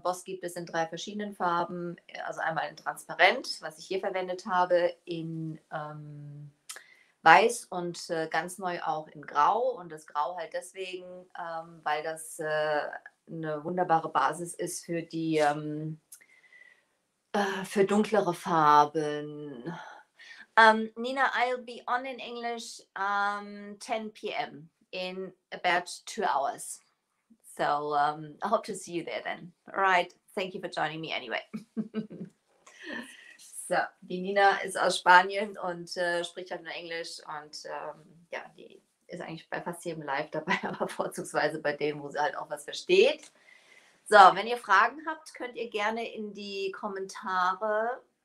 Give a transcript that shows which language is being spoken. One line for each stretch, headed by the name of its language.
German: Boss gibt es in 3 verschiedenen Farben, also einmal in Transparent, was ich hier verwendet habe, in Weiß und ganz neu auch in Grau. Und das Grau halt deswegen, weil das eine wunderbare Basis ist für die für dunklere Farben.
English: Nina, I'll be on in English 10 p.m. in about 2 hours. So, I hope to see you there then. Alright, Thank you for joining me anyway.
German: So, die Nina ist aus Spanien und spricht halt nur Englisch und ja, die ist eigentlich bei fast jedem Live dabei, aber vorzugsweise bei dem, wo sie halt auch was versteht. So, wenn ihr Fragen habt, könnt ihr gerne in die Kommentare.